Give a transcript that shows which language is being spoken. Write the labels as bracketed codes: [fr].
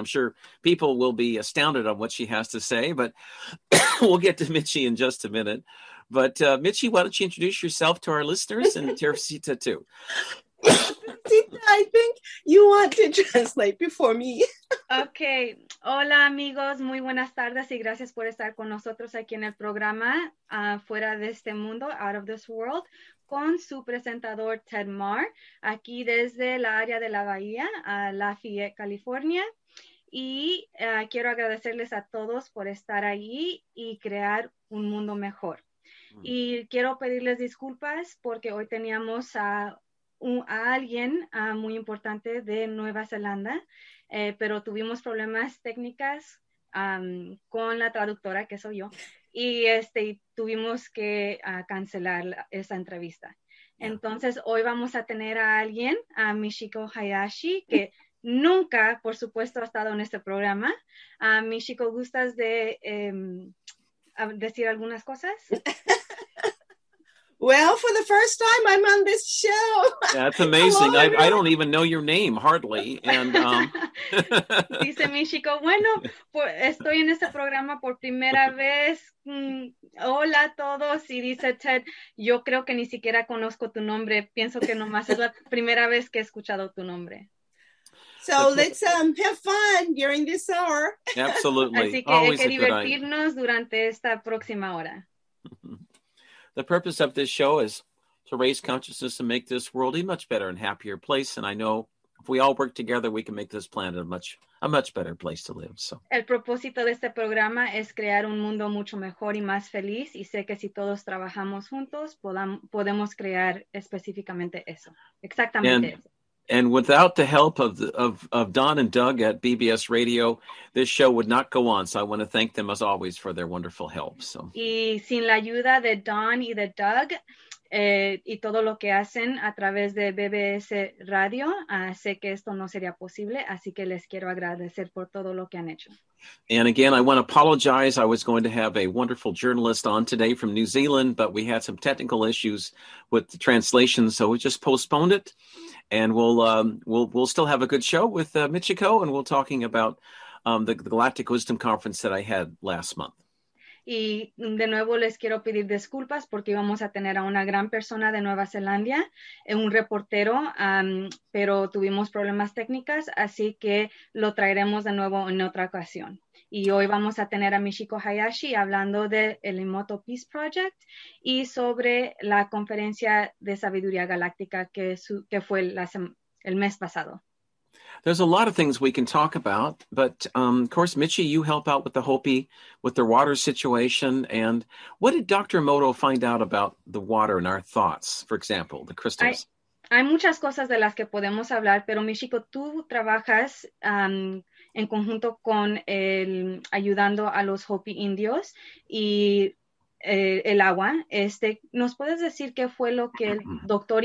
[en] I'm sure people will be astounded on what she has to say, but we'll get to Michi in just a minute. But Michi, why don't you introduce yourself to our listeners and Teresita too. I think you want to translate before me. [es] Okay. Hola, amigos. Muy buenas tardes y gracias por estar con nosotros aquí en el programa Fuera de Este Mundo, Out of This World, con su presentador Ted Marr, aquí desde la área de la Bahía, Lafayette, California. Y quiero agradecerles a todos por estar ahí y crear un mundo mejor. Mm. Y quiero pedirles disculpas porque hoy teníamos a alguien muy importante de Nueva Zelanda, pero tuvimos problemas técnicas con la traductora, que soy yo, y tuvimos que cancelar esa entrevista. Entonces, hoy vamos a tener a alguien, a Michiko Hayashi, que nunca, por supuesto, ha estado en este programa. Michiko, ¿gustas de decir algunas cosas? [en] Well, for the first time, I'm on this show. That's amazing. I don't even know your name, hardly. And [es] dice Michiko, bueno, estoy en este programa por primera vez. Hola a todos. Y dice Ted, yo creo que ni siquiera conozco tu nombre. Pienso que nomás es la primera vez que he escuchado tu nombre. [en] So let's have fun during this hour. Absolutely. [es] Así que hay que divertirnos durante esta próxima hora. [en] The purpose of this show is to raise consciousness and make this world a much better and happier place. And I know if we all work together, we can make this planet a much better place to live. So. [es] El propósito de este programa es crear un mundo mucho mejor y más feliz. Y sé que si todos trabajamos juntos, podemos crear específicamente eso. Exactamente. [en] And without the help of Don and Doug at BBS Radio, this show would not go on. So I want to thank them as always for their wonderful help. So. [es] Y sin la ayuda de Don y de Doug y todo lo que hacen a través de BBS Radio, sé que esto no sería posible. Así que les quiero agradecer por todo lo que han hecho. [en] And again, I want to apologize. I was going to have a wonderful journalist on today from New Zealand, but we had some technical issues with the translation, so we just postponed it. And we'll still have a good show with Michiko, and we're talking about the Galactic Wisdom Conference that I had last month. [es] Y de nuevo les quiero pedir disculpas porque íbamos a tener a una gran persona de Nueva Zelanda, un reportero, pero tuvimos problemas técnicas, así que lo traeremos de nuevo en otra ocasión. Y hoy vamos a tener a Michiko Hayashi hablando del Emoto Peace Project y sobre la conferencia de sabiduría galáctica que fue el mes pasado. [en] There's a lot of things we can talk about, but of course, Michi, you help out with the Hopi, with their water situation. And what did Dr. Emoto find out about the water and our thoughts, for example, the crystals? [es] Hay muchas cosas de las que podemos hablar, pero Michiko, tú trabajas en conjunto con ayudando a los Hopi indios y el agua. ¿Nos puedes decir qué fue lo que el Dr.